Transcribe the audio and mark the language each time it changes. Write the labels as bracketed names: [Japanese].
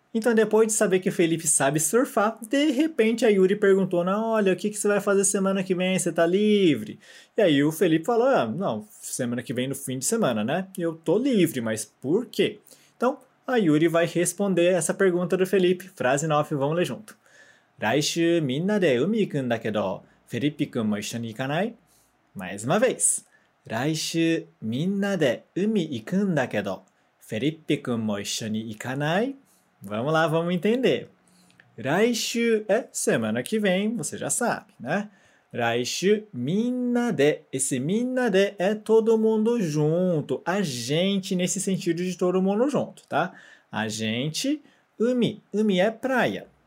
[Portuguese] Então, depois de saber que o Felipe sabe surfar, de repente a Yuri perguntou, né, olha, o que, que você vai fazer semana que vem? Você tá livre? E aí o Felipe falou, ah, não, semana que vem no fim de semana, né? Eu tô livre, mas por quê? Então, a Yuri vai responder essa pergunta do Felipe. Frase 9, vamos ler junto. [Japanese] 来週みんなで海行くんだけど、フェリピ君も一緒に行かない？ [Portuguese] Mais uma vez. [Japanese] 来週みんなで海行くんだけど、フェリピ君も一緒に行かない？ [Portuguese] Vamos lá, vamos entender. Raishu é semana que vem, você já sabe, né? Raishu, minna de. Esse minna de é todo mundo junto. A gente, nesse sentido de todo mundo junto, tá? A gente, umi. Umi é praia.